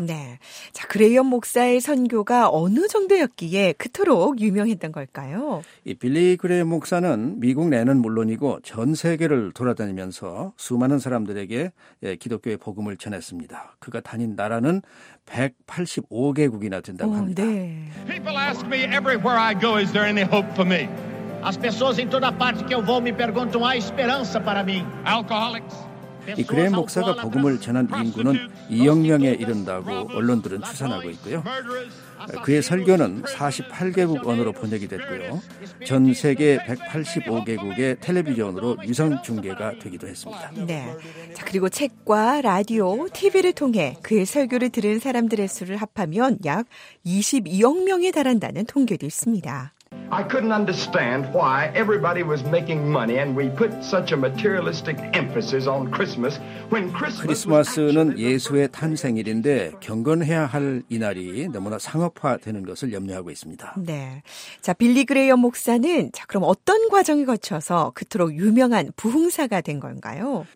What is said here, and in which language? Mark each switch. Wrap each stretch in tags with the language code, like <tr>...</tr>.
<ko>네, 자, 그레이엄 목사의 선교가 어느 정도였기에 그토록 유명했던 걸까요? 이 빌리 그레이엄 목사는 미국 내는 물론이고 전 세계를 돌아다니면서 수많은 사람들에게 기독교의 복음을 전했습니다. 그가 다닌 나라는 185개국이나 된다고 합니다. 네.</ko> <en>People ask me everywhere I go, is there any hope for me?</en> <pt>As pessoas em toda parte que eu vou me perguntam há esperança para mim.</pt> <en>Alcoholics.</en> <ko>이 그레이엄 목사가 복음을 전한 인구는 2억 명에 이른다고 언론들은 추산하고 있고요. 그의 설교는 48개국 언어로 번역이 됐고요. 전 세계 185개국의 텔레비전으로 유선 중계가 되기도 했습니다. 네. 자, 그리고 책과 라디오, TV를 통해 그의 설교를 들은 사람들의 수를 합하면 약 22억 명에 달한다는 통계도 있습니다.</ko> <en>I couldn't understand why everybody was making money and we put such a materialistic emphasis on Christmas when Christmas</en> <ko>크리스마스는 예수의 탄생일인데 경건해야 할 이날이 너무나 상업화되는 것을 염려하고 있습니다. 네. 자, 빌리 그레이엄 목사는 자 그럼 어떤 과정을 거쳐서 그토록 유명한 부흥사가 된 건가요?</ko>